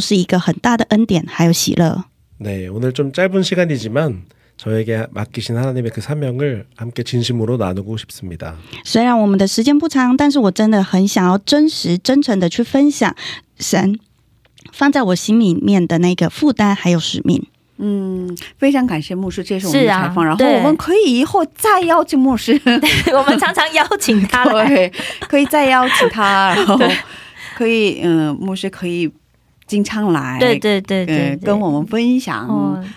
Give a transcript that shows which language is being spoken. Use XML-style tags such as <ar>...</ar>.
<zh>我觉得透过这个广播可以让我们能够分享我们对于神国的这样子的一个信心，然后并且呢跟中华圈的弟兄姐妹们来分享我们的信仰的故事，这对我来说是一个很大的恩典还有喜乐。</zh> <ko>네, 오늘 좀 짧은 시간이지만 저에게 맡기신 하나님의 그 사명을 함께 진심으로 나누고 싶습니다.</ko> <zh>虽然我们的时间不长，但是我真的很想要真实真诚的去分享神放在我心里面的那个负担还有使命。非常感谢牧师接受我们的采访，然后我们可以以后再邀请牧师，我们常常邀请他来，可以再邀请他，然后可以牧师可以经常来，对，跟我们分享。</zh>